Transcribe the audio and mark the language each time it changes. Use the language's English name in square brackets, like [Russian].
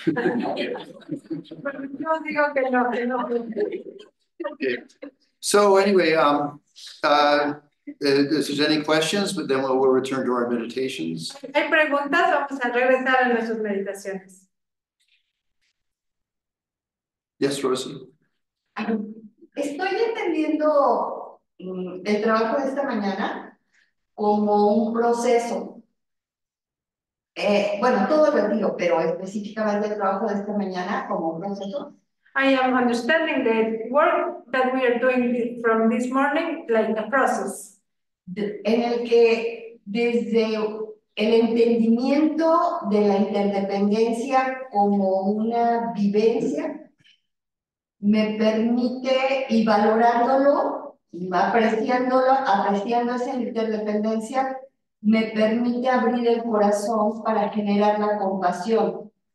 [English] Okay. So anyway, if there's any questions, but then we'll return to our meditations. [Spanish] Hay preguntas, vamos a regresar a nuestras meditaciones. [English] Yes, Rosa. [Spanish] Estoy entendiendo el trabajo de esta mañana como un proceso. Bueno, todo lo digo, pero específicamente el trabajo de esta mañana como un proceso. [English] I am understanding the work that we are doing from this morning like a process. [Spanish] En el que desde el entendimiento de la interdependencia como una vivencia me permite y valorándolo y apreciando esa interdependencia me permite abrir el corazón para generar la compasión.